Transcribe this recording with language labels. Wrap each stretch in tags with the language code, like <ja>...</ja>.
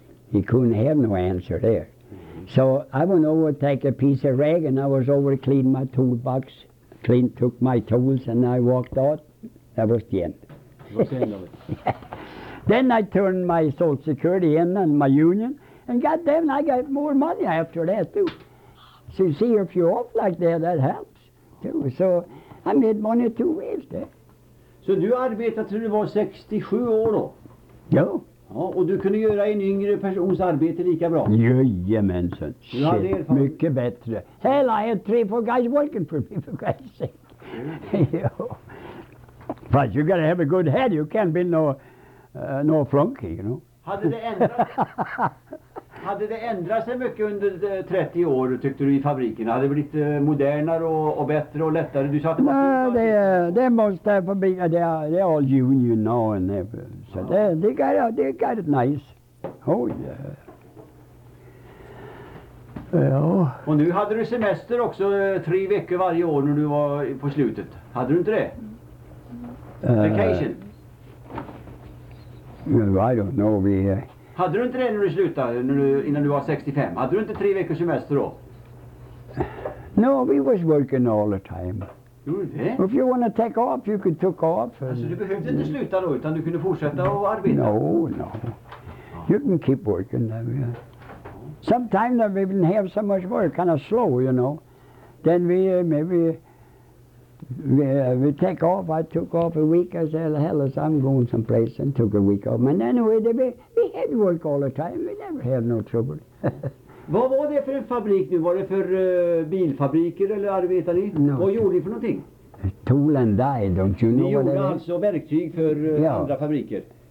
<en>He couldn't have no answer there. So I went over to take a piece of rag, and I was over to clean my toolbox, took my tools, and I walked out. That was the end. Then I turned my Social Security in and my union, and goddamn, I got more money after that too. So you see, if you're off like that, that helps too. So I made money two ways there.</en> <sv>Så du arbetade till du var 67 år då? Ja. Ja, och du kunde göra en yngre persons arbete lika bra? Jajamensan. Shit, mycket bättre.</sv> <en>Hell, I had 3-4 guys working for me, for Christ's sake. Mm. But you gotta have a good head, you can't be no flunky, you know.</en> <sv>Hade det ändrat sig mycket under 30 år, tyckte du, i fabriken? Hade det blivit modernare och bättre och lättare? Du sa att</sv> <en>they're all union now and everything. So ah. they got it nice. Oh yeah.</en> <sv>Ja. Och nu hade du semester också 3 veckor varje år när du var på slutet. Hade du inte det? Vacation.</sv> <en>I don't know.</en> <sv>Hade du inte det när du slutade, innan du var 65? Hade du inte 3 veckors semester då?</sv> <en>No, we was working all the time.</en> <sv>Gjorde du det?</sv> <en>If you want to take off, you could take off.</en> <sv>Alltså du behövde inte sluta då, utan du kunde fortsätta och arbeta?</sv> <en>No. You can keep working. Yeah. Sometimes we didn't have so much work, kind of slow, you know. Then we take off. I took off a week. I said, hell, I'm going someplace, and took a week off. And anyway, we had work all the time. We never had no trouble.</en> <sv>Vad var det för en fabrik nu? Var det för bilfabriker eller arbetade ni?</sv> <en>No.</en> <sv>Vad gjorde ni för någonting?</sv> <en>Tool and die, don't you know what that is?</en> <sv>Ni gjorde alltså verktyg för andra fabriker?</sv>